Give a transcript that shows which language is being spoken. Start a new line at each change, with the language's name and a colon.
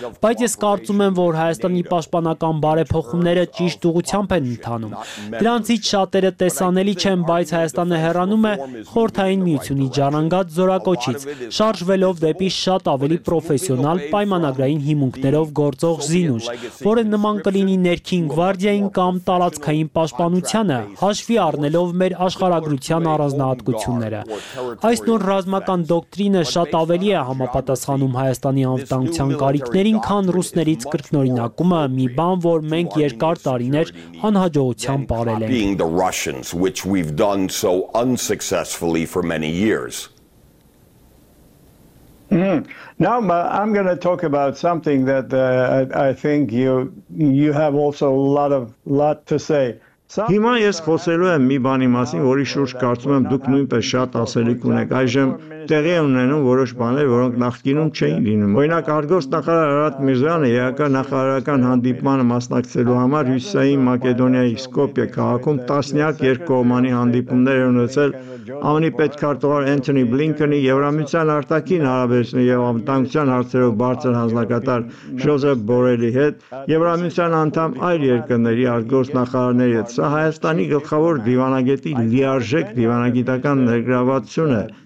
Armenian: Բայց ես կարծում եմ, որ Հայաստանի պաշտպանական բարեփոխումները ճիշտ ուղությամբ են ընթանում։ Դրանցից շատերը տեսանելի են, բայց Հայաստանը հեռանում է խորթային միությունի ժառանգած զորակոչից, շարժվելով դեպի շատ ավելի պրոֆեսիոնալ պայմանագրային հիմունքներով գործող զինուժ, որը նման կլինի ներքին գվարդիային կամ տարածքային պաշտպանությանը, հաշվի առնելով մեր աշխարհագրության առանձնահատկությունները։ Այս նոր ռազմական դոկտրինը շատ ավելի է համապատասխանում Հայաստանի անվտանգության կարիքներին, քան ռուսներից կրկնօրինակումը, մի բան, որ մենք երկար տարիներ անհաջողությամբ բարել ենք,
English: which we've done so unsuccessfully for many years. Now I'm going to talk about something that I think you have also a lot to say.
Armenian: Հիմա ես խոսելու եմ մի բանի մասին, որի շուրջ կարծում եմ դուք նույնպես շատ ասելիք ունեք։ Այժմ տեղի ունենում որոշ բաներ, որոնք նախկինում չէին լինում։ Օրինակ, արտգործնախարար Արադ Միրզյանը ԵԱԿ-ի նախարարական հանդիպմանը մասնակցելու համար Հյուսիսային Մակեդոնիայի Սկոպիե քաղաքում տասնյակ երկկողմանի հանդիպումներ ունեցել ԱՄՆ-ի պետքարտուղար Անթոնի Բլինքենի, Եվրամիության արտաքին հարաբերությունների և անվտանգության հարցերով բարձր հանձնակատար Ժոզեփ Բորելի հետ, Եվրամիության անդամ այլ երկրների արտգործնախարարների հետ։ Սա Հայաստանի գլխավոր դիվանագետի լիարժեք դիվանագիտական ներգրավվածություն է։